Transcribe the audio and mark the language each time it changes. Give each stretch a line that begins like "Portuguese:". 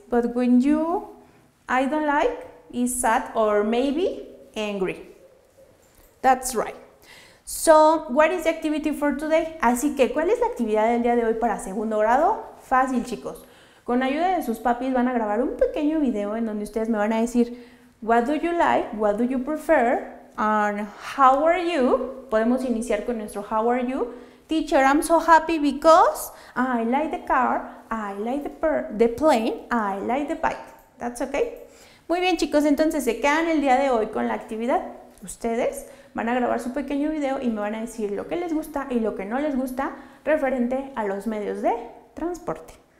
English: But when you, I don't like, is sad or maybe angry. That's right. So, what is the activity for today?
Spanish: Así que, ¿cuál es la actividad del día de hoy para segundo grado? Fácil, chicos. Con ayuda de sus papis van a grabar un pequeño video en donde ustedes me van a decir,
English: what do you like, what do you prefer, and how are you?
Spanish: Podemos iniciar con nuestro
English: how are you. Teacher, I'm so happy because I like the car, I like the plane, I like the bike. That's okay?
Spanish: Muy bien, chicos, entonces se quedan el día de hoy con la actividad. Ustedes van a grabar su pequeño video y me van a decir lo que les gusta y lo que no les gusta referente a los medios de transporte.